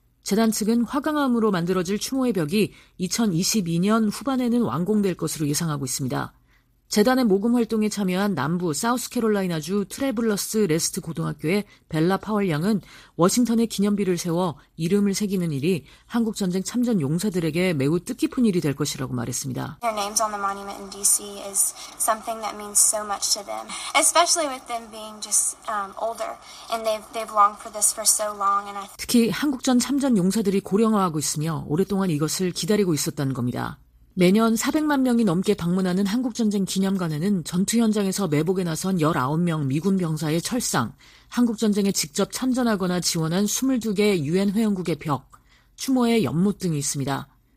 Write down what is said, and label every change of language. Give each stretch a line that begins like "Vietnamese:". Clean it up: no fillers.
Korean: 재단 측은 화강암으로 만들어질 추모의 벽이 2022년 후반에는 완공될 것으로 예상하고 있습니다. 재단의 모금 활동에 참여한 남부 사우스캐롤라이나주 트래블러스 레스트 고등학교의 벨라 파월 양은 워싱턴에 기념비를 세워 이름을 새기는 일이 한국전쟁 참전 용사들에게 매우 뜻깊은 일이 될 것이라고 말했습니다.
English: Their names on the monument in DC is something that means so much to them, especially with them being just older and they've longed for this for so long.
Korean: 특히 한국전 참전 용사들이 고령화하고 있으며 오랫동안 이것을 기다리고 있었다는 겁니다. 매년 400만 명이 넘게 방문하는 한국전쟁 기념관에는 전투 현장에서 매복에 나선 19명 미군 병사의 철상, 한국전쟁에 직접 참전하거나 지원한 22개 유엔 회원국의 벽, 추모의 연못 등이 있습니다.